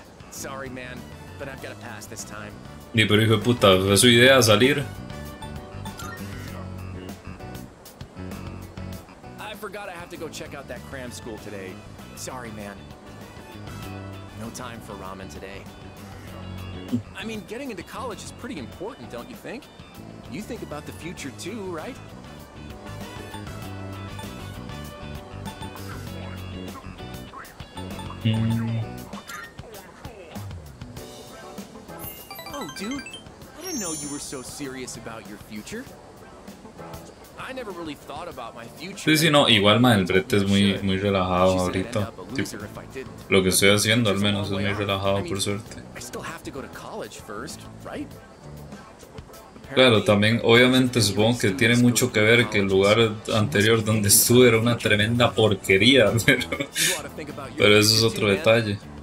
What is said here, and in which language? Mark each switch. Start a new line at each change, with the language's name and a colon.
English: Sorry, man, but I've gotta pass this time.
Spanish: Y pero hijo de puta, ¿fue su idea salir?
English: I forgot I have to go check out that cram school today. Sorry, man. No time for ramen today. I mean, getting into college is pretty important, don't you think? You think about the future too, right? Oh, dude, I didn't know you were so serious about your future. I never really thought about my future.
Spanish: Sí, no, igual, man, el brete es muy, muy relajado ahorita. Lo que estoy haciendo, al menos, es muy relajado, por suerte.
English: I still have to go to college first, right?
Spanish: Claro, también, obviamente, supongo que tiene mucho que ver que el lugar anterior donde estuve era una tremenda porquería, pero eso es otro detalle.